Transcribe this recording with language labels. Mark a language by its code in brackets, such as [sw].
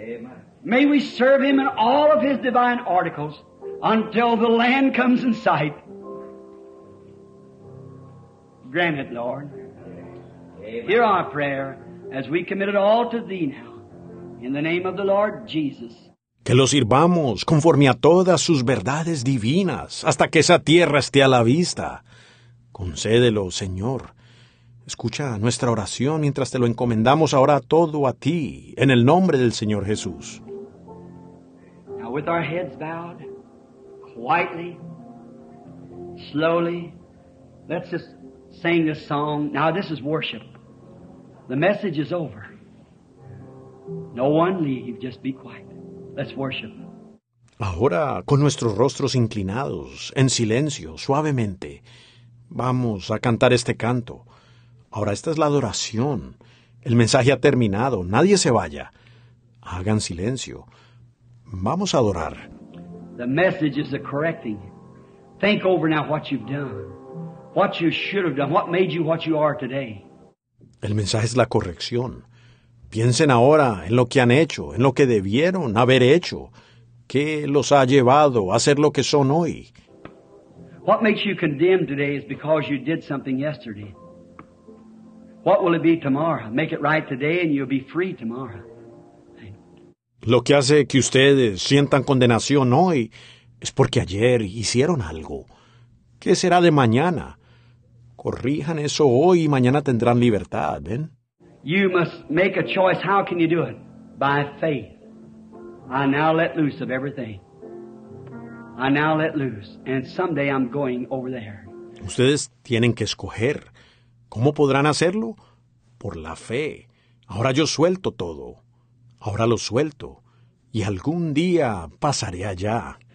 [en] Amen. May we serve Him in all of His divine articles until the land comes in sight. Grant it, Lord. Amen. Hear our prayer as we commit it all to Thee now, in the name of the Lord Jesus. [es] Que lo sirvamos conforme a todas sus verdades divinas hasta que esa tierra esté a la vista. Concédelo, Señor. Escucha nuestra oración mientras te lo encomendamos ahora todo a Ti, en el nombre del Señor Jesús. [en] With our heads bowed, quietly, slowly, let's just sing this song. Now this is worship. The message is over. No one leave, just be quiet. Let's worship. [es] Ahora, con nuestros rostros inclinados, en silencio, suavemente, vamos a cantar este canto. Ahora esta es la adoración. El mensaje ha terminado. Nadie se vaya. Hagan silencio. Vamos a adorar. [en] The message is the correcting. Think over now what you've done. What you should have done. What made you what you are today. [es] El mensaje es la corrección. Piensen ahora en lo que han hecho, en lo que debieron haber hecho. ¿Qué los ha llevado a ser lo que son hoy? [en] What makes you condemned today is because you did something yesterday. What will it be tomorrow? Make it right today and you'll be free tomorrow. [es] Lo que hace que ustedes sientan condenación hoy es porque ayer hicieron algo. ¿Qué será de mañana? Corrijan eso hoy y mañana tendrán libertad, ¿ven? [en] You must make a choice. How can you do it? By faith. I now let loose of everything. I now let loose. And someday I'm going over there. [es] Ustedes tienen que escoger. ¿Cómo podrán hacerlo? Por la fe. Ahora yo suelto todo. Ahora lo suelto, y algún día pasaré allá.